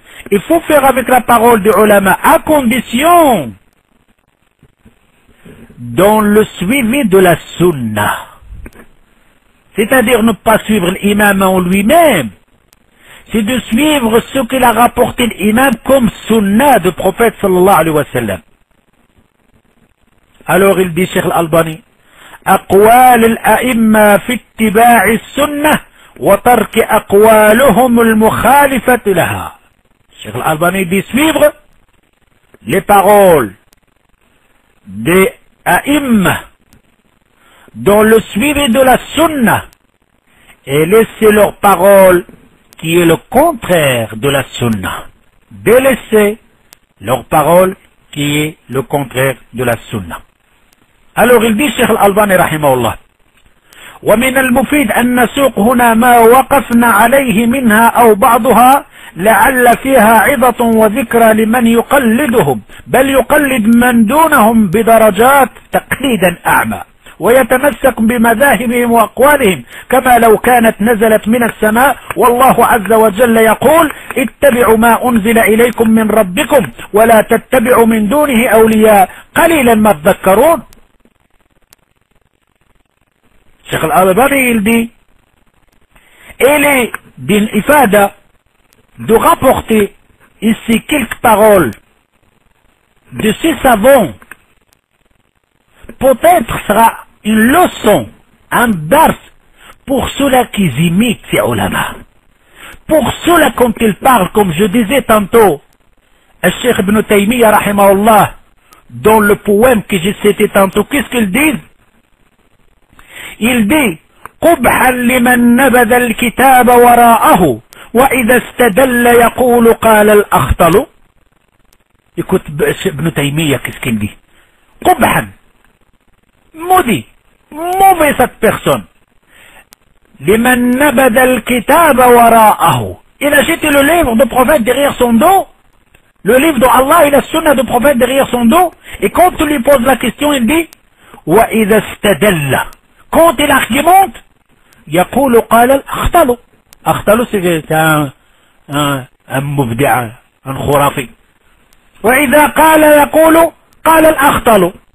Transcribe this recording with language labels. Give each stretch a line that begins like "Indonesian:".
French: Il faut faire avec la parole du ulama, à condition dans le suivi de la sunna. C'est-à-dire ne pas suivre l'imam en lui-même. C'est de suivre ce qu'il a rapporté l'imam comme sunna du prophète sallallahu alayhi wa sallam. Alors il dit, Cheikh Al-Albani,
Arabic: أقوال الأئمة في اتباع السنة وترك أقوالهم المخالفة لها.
French: Cheikh Al-Albani dit suivre les paroles des a'immah dans le suivi de la sunna et laisser leurs paroles qui est le contraire de la sunna. Délaisser leurs paroles qui est le contraire de la sunna. Alors il dit Cheikh Al-Albani rahimahullah.
Arabic: ومن المفيد أن نسوق هنا ما وقفنا عليه منها أو بعضها لعل فيها عظة وذكرى لمن يقلدهم بل يقلد من دونهم بدرجات تقليدا أعمى ويتمسك بمذاهبهم وأقوالهم كما لو كانت نزلت من السماء والله عز وجل يقول اتبعوا ما أنزل إليكم من ربكم ولا تتبعوا من دونه أولياء قليلا ما تذكرون.
French: Cheikh Al-Albani, il dit, elle est d'une ifada de rapporter ici quelques paroles de ces savants. Peut-être sera une leçon, un dars, pour ceux-là qui imitent ces ulama. Pour ceux-là, quand ils parlent, comme je disais tantôt, Cheikh Ibn Taymiyyah, rahimahullah, dans le poème que j'ai cité tantôt, qu'est-ce qu'ils disent? Il dit
Arabic: قبحا لمن نبذ الكتاب وراءه وإذا استدل يقول قال الأخطل.
French: Écoute, Ibn Taymiyyah, qu'est-ce qu'il dit?
Arabic: قبحا,
French: maudit, mauvais cette personne.
Arabic: لمن نبذ الكتاب وراءه.
French: Il a jeté le livre du prophète derrière son dos, le livre d'Allah et la sunna du prophète derrière son dos, et quand tu lui poses la question, il dit
Arabic: وإذا استدل.
French: Quand il argumente,
Arabic: يقول قال الأخطل.
French: أخطل, c'est un مبدع, un خرافي.
Arabic: وإذا قال يقول قال الأخطل.